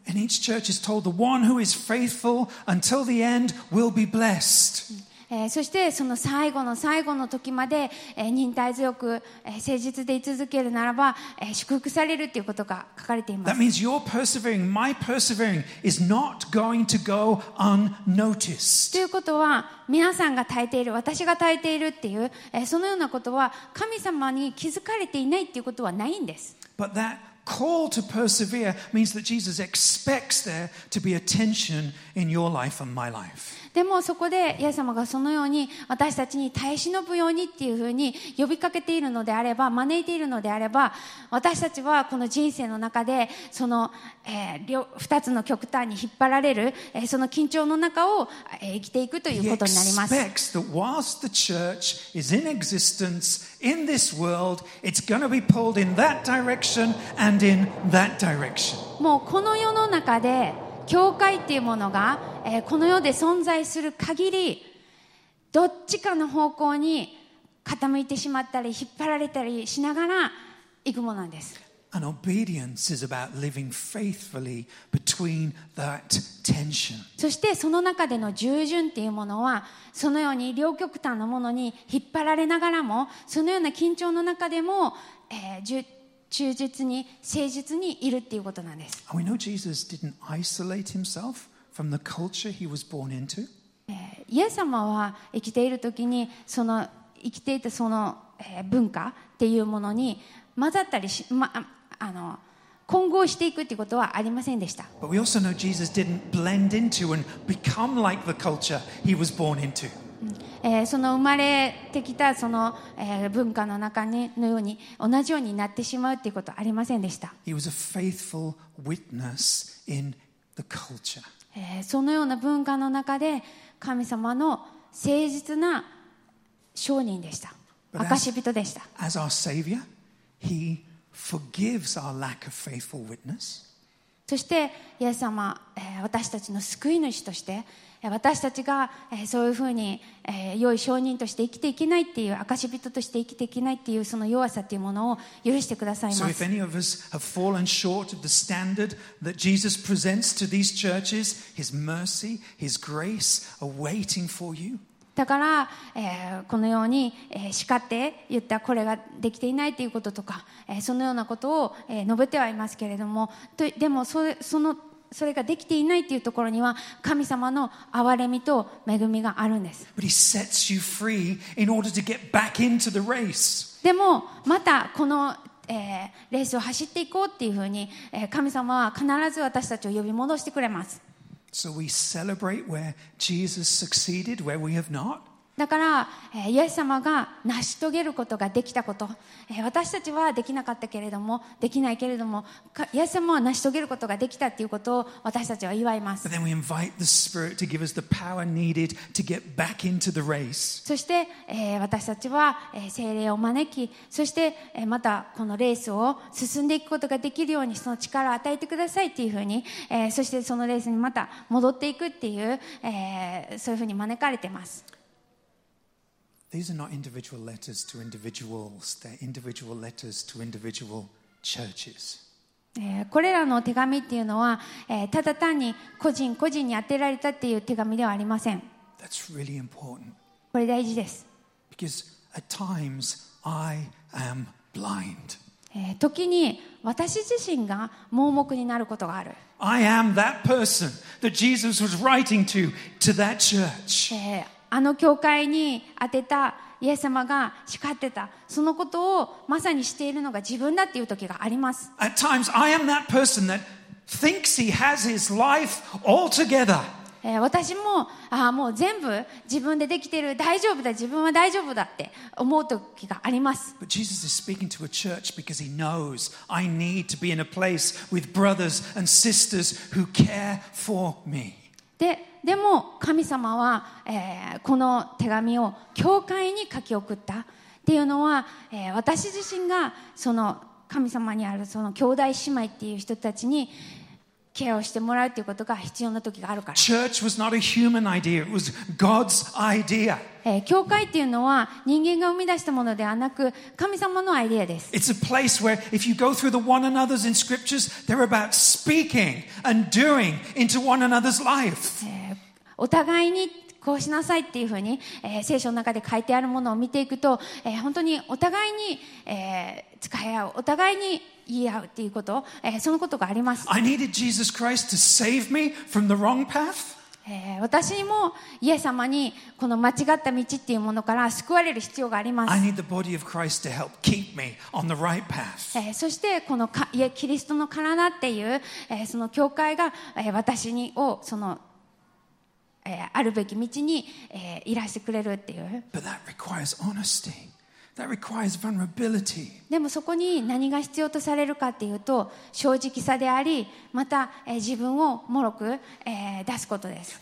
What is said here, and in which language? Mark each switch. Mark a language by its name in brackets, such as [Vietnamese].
[English] And each church is told the one who is faithful until the end will be blessed. [Japanese] そしてその最後の最後の時まで、忍耐強く、誠実で居続けるならば、祝福されるっていうことが書かれています。 [English] That means your persevering, my persevering is not going to go unnoticed. [Japanese] ということは皆さんが耐えている私が耐えているっていう、そのようなことは神様に気づかれていないっていうことはないんです。 [English] But thatCall to persevere means that Jesus expects there to be a tension in your life and my life. [Japanese] でもそこでイエス様がそのように私たちに耐え忍ぶようにっていうふうに呼びかけているのであれば、招いているのであれば、私たちはこの人生の中でその二つの極端に引っ張られる、その緊張の中を、生きていくということになります。 [English] He expects that whilst the church is in existence in this world, it's going to be pulled in that direction and in that direction. [Japanese] もうこの世の中で教会っていうものが、この世で存在する限り、どっちかの方向に傾いてしまったり引っ張られたりしながら行くものなんです。 [English] An obedience is about living faithfully between that tension. [Japanese] そしてその中での従順っていうものは、そのように両極端のものに引っ張られながらも、そのような緊張の中でも、忠実に誠実にいるっていうことなんです。 [English] We know Jesus didn't isolate himself from the culture he was born into. [Japanese] イエス様は生きている時にその生きていたその文化っていうものに混ざったりし、ま、あの混合していくということはありませんでした。 [English] But we also know Jesus didn't blend into and become like the culture he was born into. [Japanese] その生まれてきたその文化の中にのように同じようになってしまうということはありませんでした。 [English] He was a faithful witness in the culture. [Japanese] そのような文化の中で神様の誠実な証人でした。証人でした。 [English] As our Savior, he forgives our lack of faithful witness. [Japanese] そしてイエス様、私たちの救い主として、私たちが、そういうふうに、良い証人として生きていけないっていう証人として生きていけないっていうその弱さというものを許してくださいます。 [English] So if any of us have fallen short of the standard that Jesus presents to these churches, His mercy, His grace are waiting for you. [Japanese] だから、このように、叱って言ったこれができていないということとか、そのようなことを、述べてはいますけれども、とでも それができていないというところには神様の憐れみと恵みがあるんです。 [English] But he sets you free in order to get back into the race. [Japanese] でもまたこの、レースを走っていこうというふうに、神様は必ず私たちを呼び戻してくれます。 [English] So we celebrate where Jesus succeeded, where we have not. [Japanese] だから、イエス様が成し遂げることができたこと、私たちはできなかったけれども、できないけれども、イエス様は成し遂げることができたということを私たちは祝います。 [English] But then we invite the Spirit to give us the power needed to get back into the race. [Japanese] そして、私たちは聖霊を招き、そして、またこのレースを進んでいくことができるようにその力を与えてくださいっていうふうに、そしてそのレースにまた戻っていくっていう、そういうふうに招かれています。 [English] These are not individual letters to individuals. They're individual letters to individual churches. [Japanese] これらの手紙っていうのは、ただ単に個人個人に宛てられたっていう手紙ではありません。 [English] That's really important. [Japanese] これ大事です。 [English] Because at times I am blind. [Japanese] 時に私自身が盲目になることがある。 [English] I am that person that Jesus was writing to that church. [Japanese] あの教会に当てたイエス様が叱ってたそのことをまさにしているのが自分だっていう時があります。 [English] At times I am that person that thinks he has his life altogether. [Japanese] 私もああもう全部自分でできている大丈夫だ自分は大丈夫だって思う時があります。 [English] But Jesus is speaking to a church because he knows I need to be in a place with brothers and sisters who care for me. [Japanese] でも神様は、この手紙を教会に書き送ったっていうのは、私自身がその神様にあるその兄弟姉妹っていう人たちにケアをしてもらうということが必要な時があるから。 [English] Church was not a human idea. It was God's idea. [Japanese] 教会っていうのは人間が生み出したものではなく神様のアイデアです。 [English] It's a place where if you go through the one another's in scriptures, they're about speaking and doing into one another's life. [Japanese] お互いにこうしなさいっていうふうに、聖書の中で書いてあるものを見ていくと、本当にお互いに、使い合うお互いに言い合うっていうこと、そのことがあります。 [English] I needed Jesus Christ to save me from the wrong path. [Japanese] 私もイエス様にこの間違った道っていうものから救われる必要があります。 [English] I need the body of Christ to help keep me on the right path. [Japanese] そしてこのキリストの体っていう、その教会が、私にをそのあるべき道に、いらしてくれるっていう。 [English] But that requires honesty. That requires vulnerability. [Japanese] でもそこに何が必要とされるかっていうと正直さであり、また、自分をもろく、出すことです。